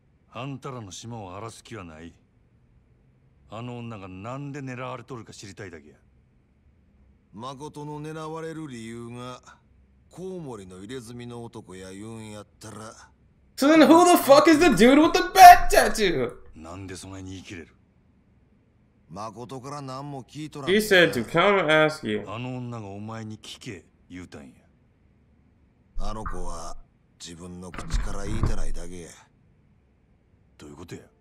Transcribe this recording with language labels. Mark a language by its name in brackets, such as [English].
[Japanese] あんたらの島を荒らす気はない。あの女がなんで狙われとるか知りたいだけや。誠の狙われる理由がコウモリの入れ墨の男や言うんやったら。 [English] So then who the fuck is the dude with the bat tattoo? [Japanese] なんでそんなに言い切れる。誠から何も聞いとらん。 [English] He said to come ask you. [Japanese] あの女がお前に聞け、言うたんや。あの子は自分の口から言いたないだけや。どういうことや？